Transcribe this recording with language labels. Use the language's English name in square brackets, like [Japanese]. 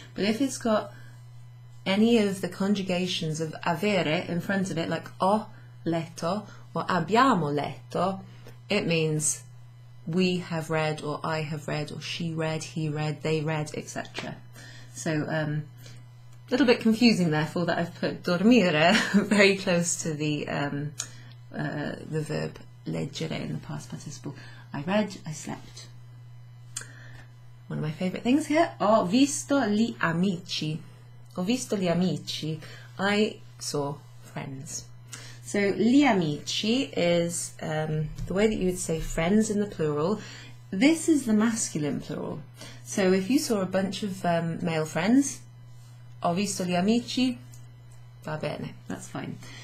[English] But if it's got any of the conjugations of avere in front of it, like [Italian] ho letto [English] or [Italian] abbiamo letto, [English] it means we have read or I have read or she read, he read, they read, etc. So a little bit confusing therefore that I've put dormire very close to the verb leggere in the past participle. I read, I slept. One of my favourite things here, [Italian] ho visto gli amici. Ho visto gli amici. [English] I saw friends. So gli amici is the way that you would say friends in the plural. This is the masculine plural. So if you saw a bunch of male friends, [Italian] ho visto gli amici, va bene, [English] that's fine.